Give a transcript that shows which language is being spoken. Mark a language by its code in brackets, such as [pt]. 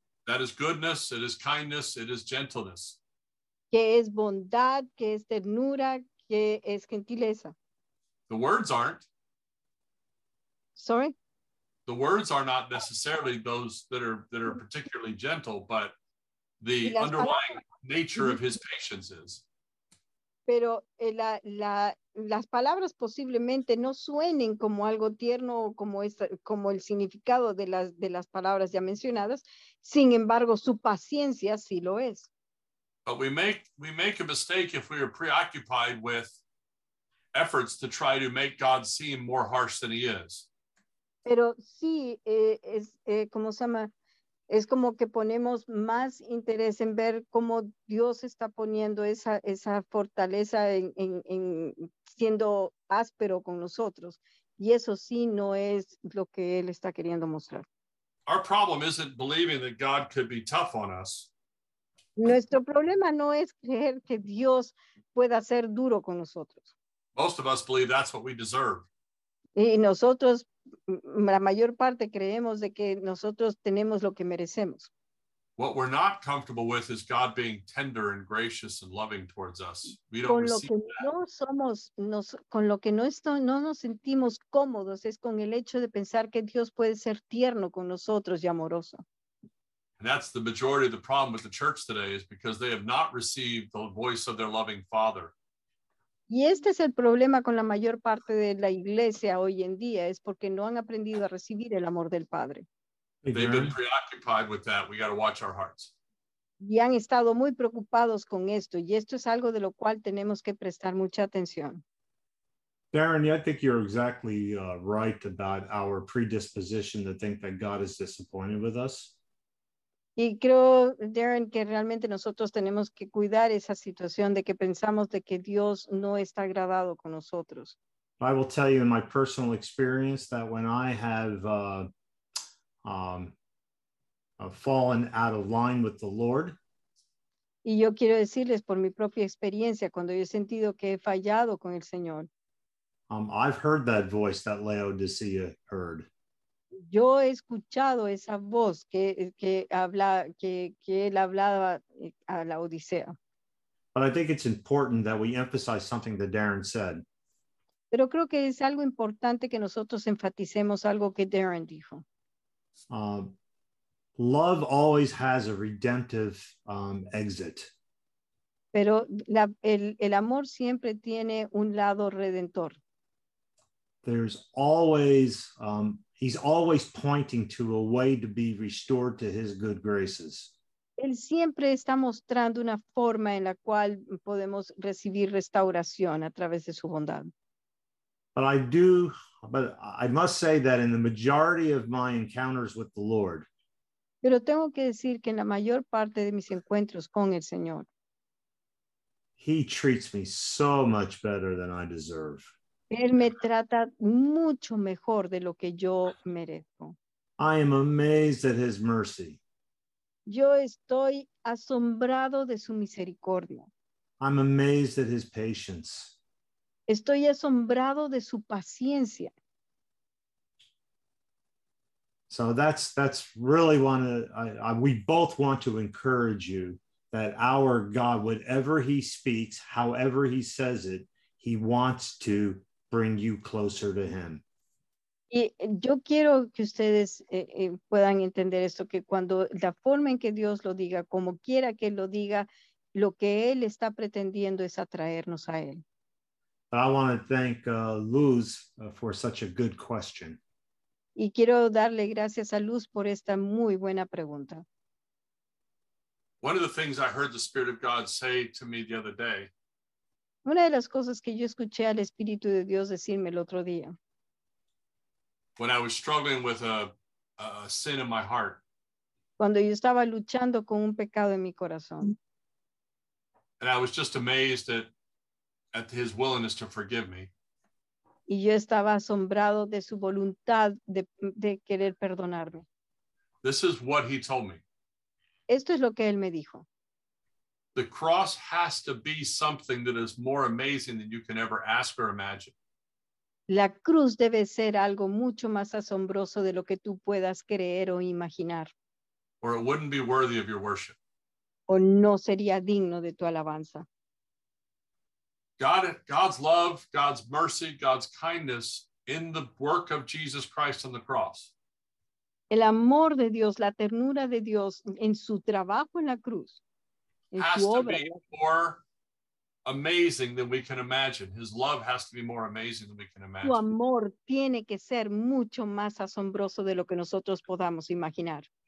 [en] That is goodness, it is kindness, it is gentleness. [es] Que es bondad, que es ternura, que es gentileza. [en] The words aren't. Sorry? The words are not necessarily those that are particularly gentle, but the underlying nature of his patience is. [es] Pero las palabras posiblemente no suenen como algo tierno o como el significado de las palabras ya mencionadas. Sin embargo, su paciencia sí lo es. [en] But we make a mistake if we are preoccupied with efforts to try to make God seem more harsh than he is. [es] Pero sí, como se llama, es como que ponemos más interés en ver cómo Dios está poniendo esa fortaleza en siendo áspero con nosotros. Y eso sí no es lo que él está queriendo mostrar. [en] Our problem isn't believing that God could be tough on us. [es] Nuestro problema no es creer que Dios pueda ser duro con nosotros. [en] Most of us believe that's what we deserve. [es] Y nosotros, la mayor parte creemos de que nosotros tenemos lo que merecemos. [en] What we're not comfortable with is God being tender and gracious and loving towards us. We don't receive that. [es] No nos sentimos cómodos es con el hecho de pensar que Dios puede ser tierno con nosotros y amoroso. [en] And that's the majority of the problem with the church today is because they have not received the voice of their loving Father. [es] Y este es el problema con la mayor parte de la iglesia hoy en día, es porque no han aprendido a recibir el amor del Padre. [en] They've been preoccupied with that. We got to watch our hearts. [es] Y han estado muy preocupados con esto, y esto es algo de lo cual tenemos que prestar mucha atención. [en] Darren, yeah, I think you're exactly right about our predisposition to think that God is disappointed with us. [es] Y creo, Darren, que realmente nosotros tenemos que cuidar esa situación de que pensamos de que Dios no está agradado con nosotros. [en] I will tell you in my personal experience that when I have fallen out of line with the Lord. [es] Y yo quiero decirles por mi propia experiencia, cuando yo he sentido que he fallado con el Señor. [en] I've heard that voice that Laodicea heard. [es] Yo he escuchado esa voz que él hablaba a la Odisea. [en] But I think it's important that we emphasize something that Darren said. [es] Pero creo que es algo importante que nosotros enfaticemos algo que Darren dijo. [en] Love always has a redemptive exit. [es] Pero el amor siempre tiene un lado redentor. [en] There's always, he's always pointing to a way to be restored to his good graces. [es] Él siempre está mostrando una forma en la cual podemos recibir restauración a través de su bondad. [en] But I must say that in the majority of my encounters with the Lord, [es] pero tengo que decir que en la mayor parte de mis encuentros con el Señor, [en] he treats me so much better than I deserve. [es] Él me trata mucho mejor de lo que yo merezco. [en] I am amazed at his mercy. [es] Yo estoy asombrado de su misericordia. [en] I'm amazed at his patience. [es] Estoy asombrado de su paciencia. [en] So that's really one of we both want to encourage you that our God, whatever he speaks, however he says it, he wants to bring you closer to him. [es] Y yo quiero que ustedes puedan entender esto, que cuando la forma en que Dios lo diga, como quiera que lo diga, lo que él está pretendiendo es atraernos a él. [en] I want to thank Luz for such a good question. [es] Y quiero darle gracias a Luz por esta muy buena pregunta. [en] One of the things I heard the Spirit of God say to me the other day. [es] Una de las cosas que yo escuché al Espíritu de Dios decirme el otro día. [en] When I was struggling with a sin in my heart. [es] Cuando yo estaba luchando con un pecado en mi corazón. [en] And I was just amazed at his willingness to forgive me. [es] Y yo estaba asombrado de su voluntad de querer perdonarme. [en] This is what he told me. [es] Esto es lo que él me dijo. [en] The cross has to be something that is more amazing than you can ever ask or imagine. [es] La cruz debe ser algo mucho más asombroso de lo que tú puedas creer o imaginar. [en] Or it wouldn't be worthy of your worship. [es] O no sería digno de tu alabanza. [en] God's love, God's mercy, God's kindness in the work of Jesus Christ on the cross. [es] El amor de Dios, la ternura de Dios en su trabajo en la cruz. [en] Has to be more amazing than we can imagine. His love has to be more amazing than we can imagine. [es] Su amor tiene que ser mucho más asombroso de lo que nosotros podamos imaginar.